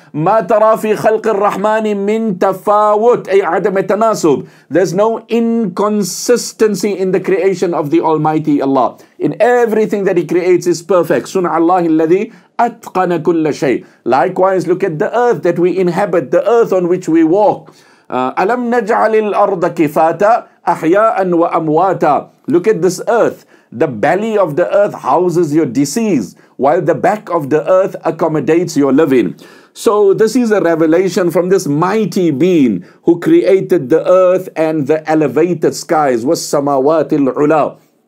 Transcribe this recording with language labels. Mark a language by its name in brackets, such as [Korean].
[Arabic] مَا تَرَى فِي خَلْقِ الرَّحْمَنِ مِنْ تَفَاوُتْ أَيْ عَدَمِ تَنَاسُبْ. [English] There's no inconsistency in the creation of the Almighty Allah. In everything that He creates is perfect. [Arabic] سُنْعَ اللَّهِ الَّذِي أَتْقَنَ كُلَّ شَيْءٍ. [English] Likewise, look at the earth that we inhabit, the earth on which we walk. [Arabic] أَلَمْ نَجْعَلِ الْأَرْضَ كِفَاتًا أَحْيَاءً وَأَمْوَاتًا. [English] Look at this earth. The belly of the earth houses your disease, while the back of the earth accommodates your living. So this is a revelation from this mighty being who created the earth and the elevated skies. [Arabic] وَالسَّمَاوَاتِ الْعُلَىٰ.